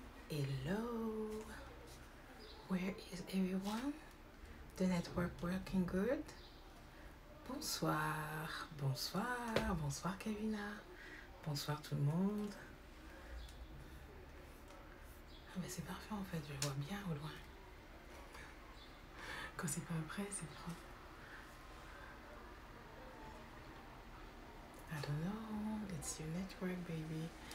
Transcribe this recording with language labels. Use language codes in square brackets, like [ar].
[en] Hello, where is everyone? The network working good? [fr] Bonsoir, bonsoir, bonsoir Kevina, bonsoir tout le monde. Ah ben c'est parfait en fait, je vois bien au loin. Quand c'est pas prêt, c'est propre. [en] I don't know, it's your network baby.